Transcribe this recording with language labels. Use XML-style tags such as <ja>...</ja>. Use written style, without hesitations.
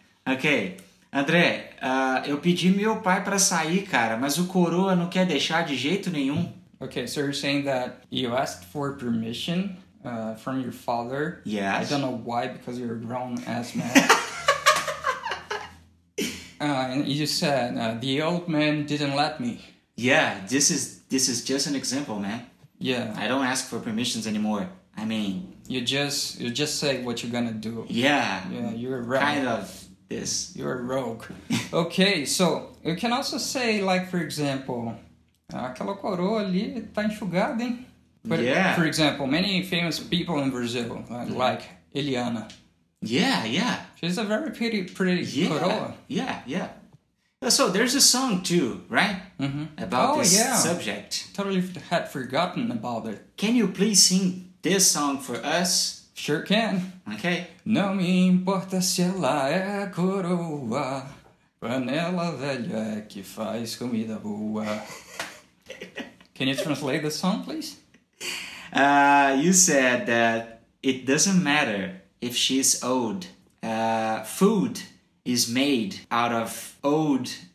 <pt>Okay, André, eu pedi meu pai para sair, cara, mas o coroa não quer deixar de jeito nenhum.</pt> <en>Okay, so you're saying that you asked for permission from your father. Yes. I don't know why, because you're a grown-ass man. And you said, the old man didn't let me. Yeah, this is just an example, man. Yeah. I don't ask for permissions anymore. I mean... You just say what you're gonna do. Yeah. Yeah, you're a rogue. Kind of this. You're a rogue. Okay, so you can also say, like, for example,</en> <pt>aquela coroa ali tá enxugada, hein?</pt> <en>But yeah. For example, many famous people in Brazil, like Eliana. Yeah, yeah. She's a very pretty yeah,</en> <pt>coroa.</pt> <en>Yeah, yeah. So there's a song too, right? About subject. Totally had forgotten about it. Can you please sing this song for us? Sure can. Okay.</en> <pt>Não me importa se ela é coroa, panela velha é que faz comida boa.</pt> <en>Can you translate the song, please? You said that it doesn't matter if she's old, food is made out of old...</en>